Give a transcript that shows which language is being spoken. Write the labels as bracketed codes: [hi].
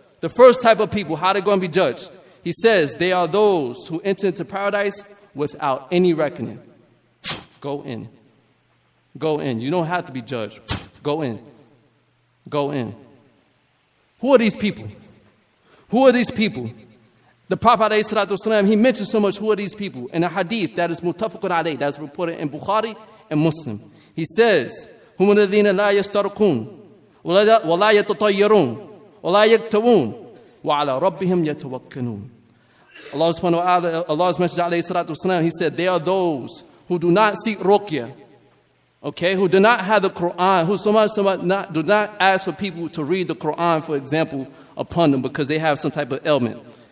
[en] The first type of people, how they're going to be judged? He says, they are those who enter into paradise without any reckoning. Go in. Go in. You don't have to be judged. Go in. Go in. Who are these people? Who are these people? The Prophet ﷺ, he mentioned so much, who are these people? In a hadith that is mutafakun alayh, that is reported in Bukhari and Muslim. He says, [ar] هُمُ الَّذِينَ لَا يَسْتَرْقُونَ وَلَا يَتَطَيَّرُونَ وَلَا يَكْتَوُونَ وَعَلَى رَبِّهِمْ يَتَوَكَّنُونَ. [en] Allah subhanahu wa ta'ala, Allah's Messenger ﷺ, he said, they are those who do not seek ruqya. Okay, who do not have the Quran, who do not ask for people to read the Quran, for example, upon them because they have some type of ailment.